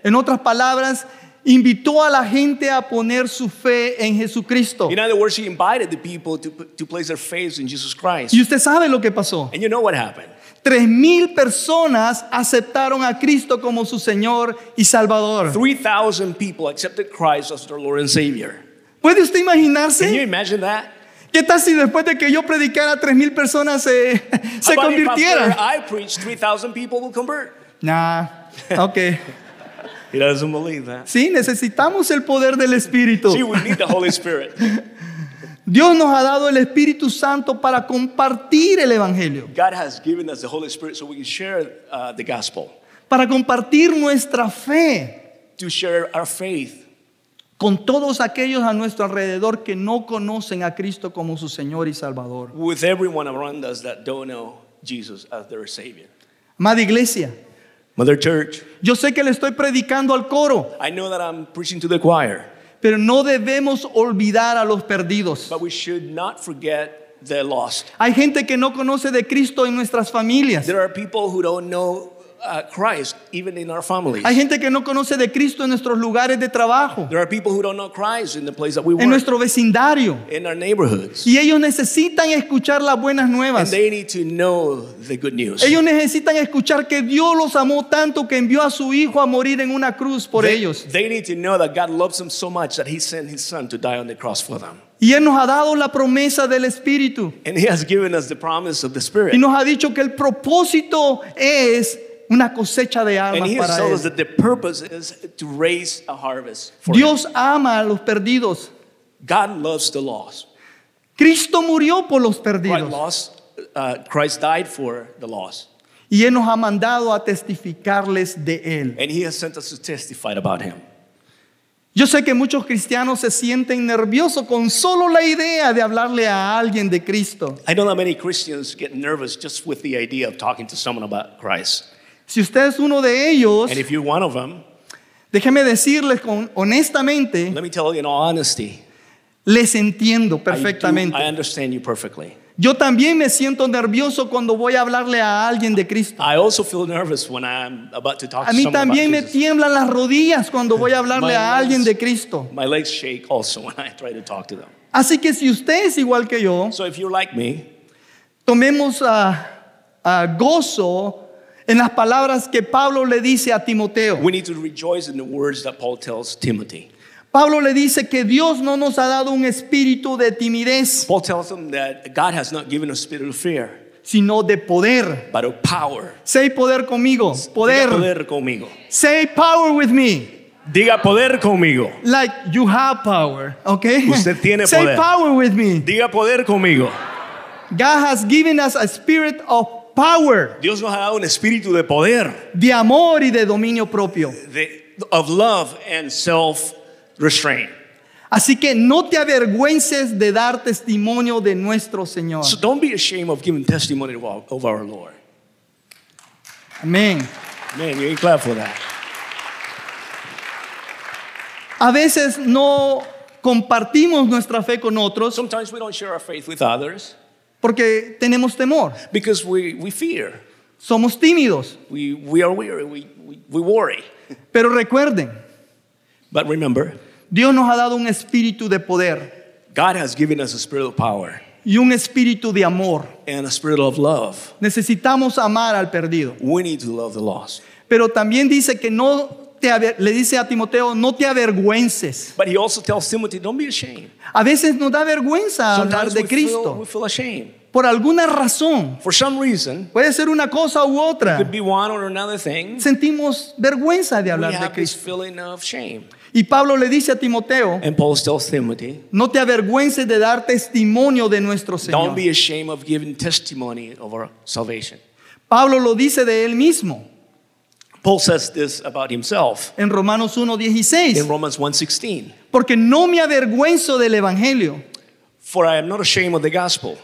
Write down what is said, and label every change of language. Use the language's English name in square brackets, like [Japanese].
[Spanish] En otras palabras, invitó a la gente a poner su fe en Jesucristo. [English] In other words, he invited the people to place their faith in Jesus Christ. [Spanish] Y usted sabe lo que pasó. [English] And you know what happened. [Spanish] 3,000 personas aceptaron a Cristo como su Señor y Salvador. [English] 3,000 people accepted Christ as their Lord and Savior. [Spanish] ¿Puede usted imaginarse? [English] Can you imagine that? [Spanish] ¿Qué tal si después de que yo predicara 3,000 personas se convirtieran? [English] I preached, 3,000 people will convert. [Spanish] Nah, okay. [English] He doesn't believe that. [Spanish] Sí, necesitamos el poder del Espíritu. [English] See, we need the Holy Spirit. [Spanish] Dios nos ha dado el Espíritu Santo para compartir el Evangelio. [English] God has given us the Holy Spirit so we can share the gospel. [Spanish] Para compartir nuestra fe. [English] To share our faith. [Spanish] Con todos aquellos a nuestro alrededor que no conocen a Cristo como su Señor y Salvador. [English] With everyone around us that don't know Jesus as their Savior. [Spanish] Amada Iglesia. [English] Mother Church. [Spanish] Yo sé que le estoy predicando al coro. [English] I know that I'm preaching to the choir. [Spanish] Pero no debemos olvidar a los perdidos. [English] But we should not forget the lost. [Spanish] Hay gente que no conoce de Cristo en nuestras familias. [English] There are people who don't know Christ even in our families. [Spanish] Hay gente que no conoce de Cristo en nuestros lugares de trabajo. [English] There are people who don't know Christ in the place that we work. [Spanish] En nuestro vecindario. [English] In our neighborhoods. [Spanish] Y ellos necesitan escuchar las buenas nuevas. [English] And they need to know the good news. [Spanish] Ellos necesitan escuchar que Dios los amó tanto que envió a su hijo a morir en una cruz por ellos. [English] They need to know that God loves them so much that he sent his son to die on the cross for them. [Spanish] Y Él nos ha dado la promesa del Espíritu. [English] And he has given us the promise of the Spirit. [Spanish] Y nos ha dicho que el propósito es una cosecha de almas para Él. [English] That the purpose is to raise a harvest for [Spanish] Dios [English] him. [Spanish] Ama a los perdidos. [English] God loves the lost. [Spanish] Cristo murió por los perdidos. [English] Christ died for the lost. [Spanish] Y Él nos ha mandado a testificarles de Él. [English] And he has sent us to testify about him. [Spanish] Yo sé que muchos cristianos se sienten nerviosos con solo la idea de hablarle a alguien de Cristo. [English] I know that many Christians get nervous just with the idea of talking to someone about Christ. [Spanish] Si usted es uno de ellos, [English] and if you're one of them, [Spanish] déjeme decirles honestamente, [English] let me tell you in all honesty, [Spanish] les entiendo perfectamente. [English] I understand you perfectly. [Spanish] Yo también me siento nervioso cuando voy a hablarle a alguien de Cristo. [English] I also feel nervous when I'm about to talk to [Spanish] a mí también [English] about [Spanish] me tiemblan las rodillas cuando voy a hablarle a alguien de Cristo. [English] My legs shake also when I try to talk to them. [Spanish] Así que si usted es igual que yo, [English] so if you're like me, [Spanish] tomemos a gozo en las palabras que Pablo le dice a Timoteo. [English] We need to rejoice in the words that Paul tells Timothy. [Spanish] Pablo le dice que Dios no nos ha dado un espíritu de timidez. [English] Paul tells him that God has not given us a spirit of fear. [Spanish] Sino de poder. [English] But of power. [Spanish] Say poder conmigo. Poder. Diga poder conmigo. [English] Say power with me. [Spanish] Diga poder conmigo. [English] Like you have power, okay? [Spanish] Usted tiene [English] say [Spanish] poder. [English] Say power with me. [Spanish] Diga poder conmigo. [English] God has given us a spirit of power. [Spanish] Dios nos ha dado un espíritu de poder. De amor y de dominio propio. [English] Of love and self-restraint. [Spanish] Así que no te avergüences de dar testimonio de nuestro Señor. [English] So don't be ashamed of giving testimony of our Lord. Amen. Amen. You ain't glad for that. [Spanish] A veces no compartimos nuestra fe con otros. [English] Sometimes we don't share our faith with others. [Spanish] Porque tenemos temor. [English] Because we fear. [Spanish] Somos tímidos. [English] We are weary. We worry. [Spanish] Pero recuerden. [English] But remember. [Spanish] Dios nos ha dado un espíritu de poder. [English] God has given us a spirit of power. [Spanish] Y un espíritu de amor. [English] And a spirit of love. [Spanish] Necesitamos amar al perdido. [English] We need to love the lost. [Spanish] Pero también dice que no te le dice a Timoteo, no te avergüences. [English] But he also tells Timothy, don't be ashamed. [Spanish] A veces nos da vergüenza [English] sometimes [Spanish] hablar de Cristo. [English] We feel ashamed. [Spanish] Por alguna razón. [English] For some reason. [Spanish] Puede ser una cosa u otra. [English] It could be one or another thing. [Spanish] Sentimos vergüenza de hablar de Cristo. [English] We have this feeling of shame. [Spanish] Y Pablo le dice a Timoteo. [English] And Paul tells Timothy. [Spanish] No te avergüences de dar testimonio de nuestro Señor. [English] Don't be ashamed of giving testimony of our salvation. [Spanish] Pablo lo dice de él mismo. [English] Paul says this about himself. [Spanish] En Romanos 1:16. [English] In Romans 1:16. [Spanish] Porque no me avergüenzo del evangelio. [English] For I am not ashamed of the gospel.